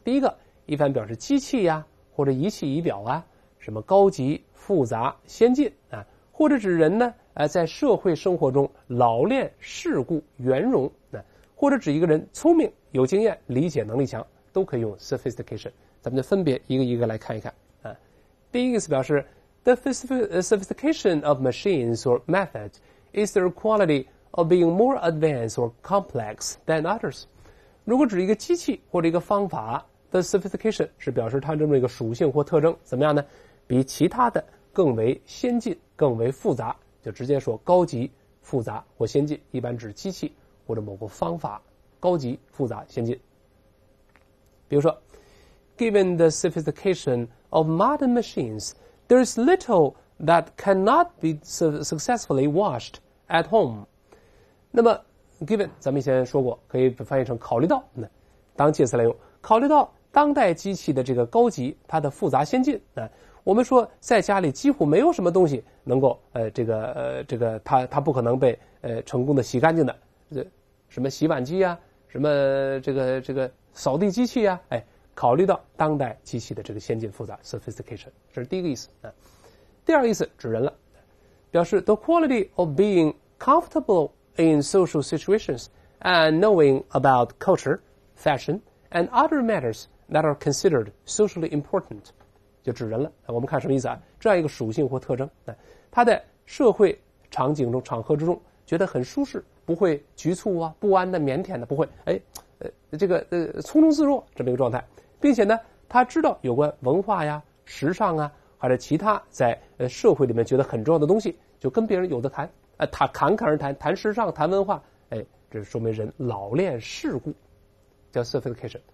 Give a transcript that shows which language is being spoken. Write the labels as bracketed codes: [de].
[zh] 第一个，一般表示机器呀，或者仪器仪表啊，什么高级、复杂、先进啊，或者指人呢，在社会生活中老练、世故、圆融啊，或者指一个人聪明、有经验、理解能力强，都可以用 sophistication。咱们就分别一个一个来看一看。第一个是表示 [en] The sophistication of machines or methods is their quality of being more advanced or complex than others. [zh] 如果指一个机器或者一个方法 The sophistication 是表示它这么一个属性或特征，怎么样呢？比其他的更为先进，更为复杂，就直接说高级、复杂或先进，一般指机器或者某个方法，高级、复杂、先进。比如说 [en] Given the sophisticationOf modern machines, there is little that cannot be successfully washed at home. [zh] 那么 ，given 咱们以前说过，可以翻译成考虑到，当介词来用。考虑到当代机器的这个高级，它的复杂先进，我们说在家里几乎没有什么东西能够它不可能被成功的洗干净的，什么洗碗机啊，什么这个扫地机器啊，考虑到当代机器的这个先进复杂 sophistication， 这是第一个意思。第二个意思指人了，表示 [en] the quality of being comfortable in social situations and knowing about culture, fashion, and other matters that are considered socially important， [zh] 就指人了。我们看什么意思啊？这样一个属性或特征，他在社会场景中、场合之中觉得很舒适，不会局促啊、不安的、腼腆的，不会匆匆自若这么一个状态，并且呢，他知道有关文化呀、时尚啊，或者其他在社会里面觉得很重要的东西，就跟别人有的谈，他侃侃而谈，谈时尚、谈文化，这说明人老练世故，叫 sophistication。